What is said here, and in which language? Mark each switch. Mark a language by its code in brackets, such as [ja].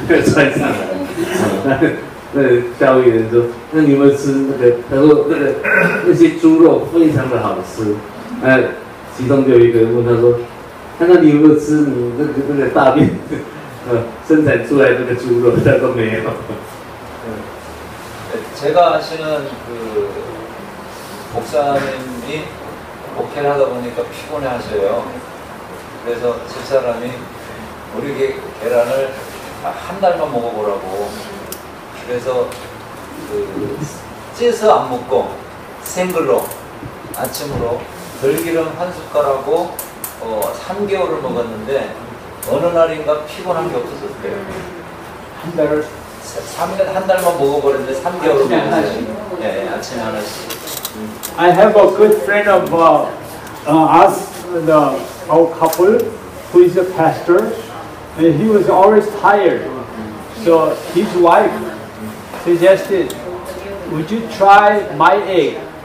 [zh] 穿上来，那教育人说，那你有没有吃那个？他说那个那些猪肉非常的好吃。那其中就有一个人问他说，他说你有没有吃你那个大便生产出来那个猪肉？他说没有。 [ko] 제가 아시는 그 목사님이 목회를 하다 보니까 피곤해 하세요. 그래서 집 사람이 우리 계란을 한 달만 먹어보라고. 그래서 찢어 안 먹고 생글로 아침으로 들기름 한 숟가락하고 3개월을 먹었는데 어느 날인가 피곤한 게 없어졌대요. 한 달을 한 달만 먹어버렸는데 3개월을 먹었어요. 예, 아침에 하나씩. [en] I have a good friend of us, our couple, who is a pastor. And he was always tired. So his wife suggested, would you try my egg?